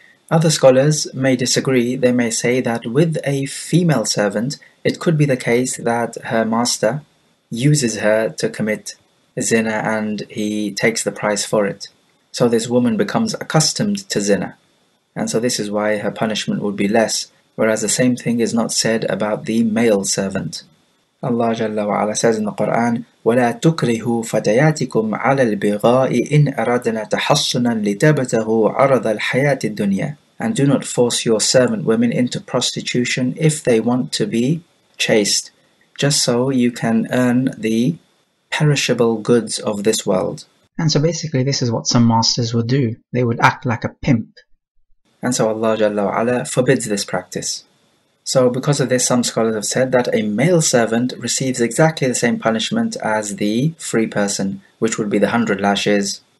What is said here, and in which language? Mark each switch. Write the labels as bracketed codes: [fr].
[en] Other scholars may disagree. They may say that with a female servant, it could be the case that her master uses her to commit zina and he takes the price for it. So this woman becomes accustomed to zina. And so this is why her punishment would be less, whereas the same thing is not said about the male servant. Allah Jalla wa Ala says in the Quran, [ar] وَلَا تُكْرِهُ فَتَيَاتِكُمْ عَلَى الْبِغَاءِ إِنْ أَرَدْنَا تَحَصُّنًا لِتَبْتَغُوا عَرَضَ الْحَيَاةِ الدُّنْيَا. [en] And do not force your servant women into prostitution if they want to be chaste, just so you can earn the perishable goods of this world. And so basically this is what some masters would do. They would act like a pimp. And so Allah Jalla wa Ala forbids this practice. So because of this, some scholars have said that a male servant receives exactly the same punishment as the free person, which would be the 100 lashes.